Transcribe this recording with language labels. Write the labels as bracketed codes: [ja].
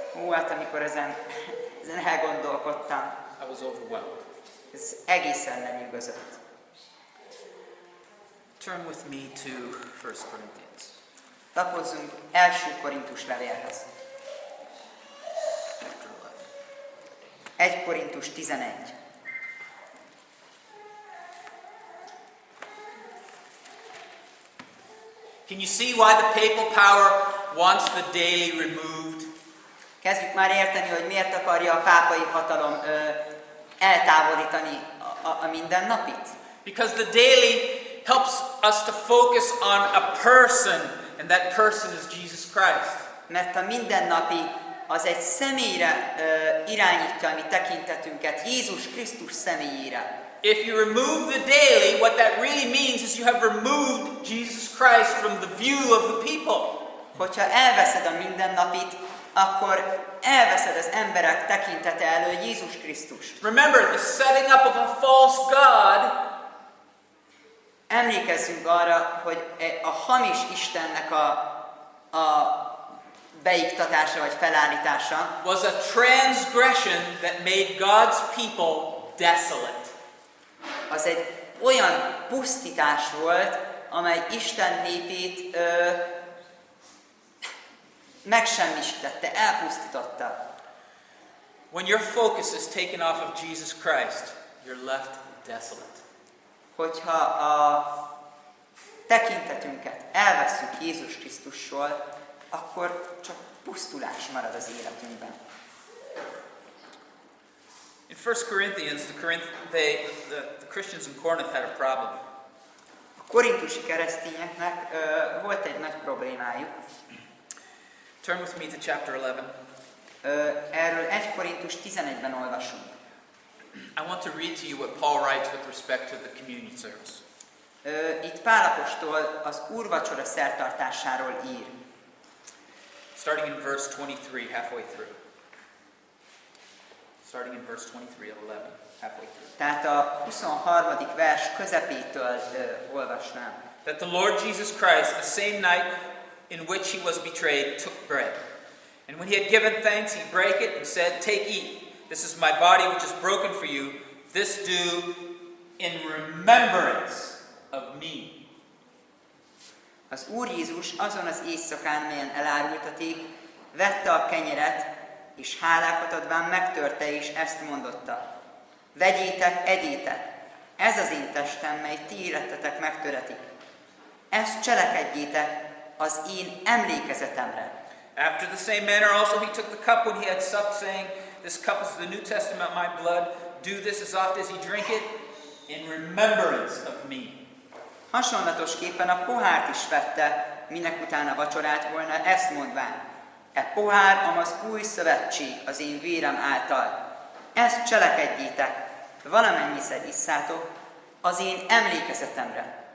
[hu] hát amikor ezen elgondolkodtam, [en] I was overwhelmed. [hu] Ez egészen lenyűgözött. [en] Turn with me to 1 Corinthians. [hu] Lapozzunk első Korintus levélhez. 1 Korintus 11. [en] Can you see why the papal power wants the daily removed? [hu] Kezdjük már érteni, hogy miért akarja a pápai hatalom eltávolítani a mindennapit? [en] Because the daily helps us to focus on a person, and that person is Jesus Christ. [hu] Mert a mindennapi az egy személyre irányítja a mi tekintetünket, Jézus Krisztus személyére. [en] If you remove the daily, what that really means is you have removed Jesus Christ from the view of the people. [hu] Hogyha elveszed a mindennapit, akkor elveszed az emberek tekintete elől Jézus Krisztust. [en] Remember the setting up of a false god. [hu] Emlékezzünk arra, hogy a hamis Istennek a beiktatása vagy felállítása [en] was a transgression that made God's people desolate. [hu] Az egy olyan pusztítás volt, amely Isten népét megsemmisítette, elpusztította. [en] When your focus is taken off of Jesus Christ, you're left desolate. [hu] Hogyha a tekintetünket elveszünk Jézus Krisztusról, akkor csak pusztulás marad az életünkben. [en] In 1 Corinthians, the Christians in Corinth had a problem. [hu] A korintusi keresztényeknek volt egy nagy problémájuk. [en] Turn with me to chapter 11. [hu] Erről 1 Korintus 11-ben olvasunk. [en] I want to read to you what Paul writes with respect to the communion service. [hu] Itt Pál apostol az úrvacsora szertartásáról ír. [en] Starting in verse 23, halfway through. Starting in verse 23 of 11, halfway through. [hu] Tehát a 23. vers közepétől olvasnám. [en] That the Lord Jesus Christ, the same night in which he was betrayed, took bread. And when he had given thanks, he broke it and said, "Take, eat. This is my body which is broken for you. This do in remembrance of me." [hu] Az Úr Jézus azon az éjszakán, melyen elárultaték, vette a kenyeret, és hálákat adván megtörte, és ezt mondotta. Vegyétek, egyétek, ez az én testem, mely ti érettetek megtöretik. Ezt cselekedjétek az én emlékezetemre. [en] After the same manner also he took the cup when he had supped, saying, "This cup is the New Testament, my blood. Do this as oft as ye drink it in remembrance of me." [hu] Hasonlatosképpen a pohárt is vette, minek utána vacsorát volna, ezt mondván. E pohár, amaz új szövetség az én vérem által. Ezt cselekedjétek, valamennyiszer isszátok, az én emlékezetemre.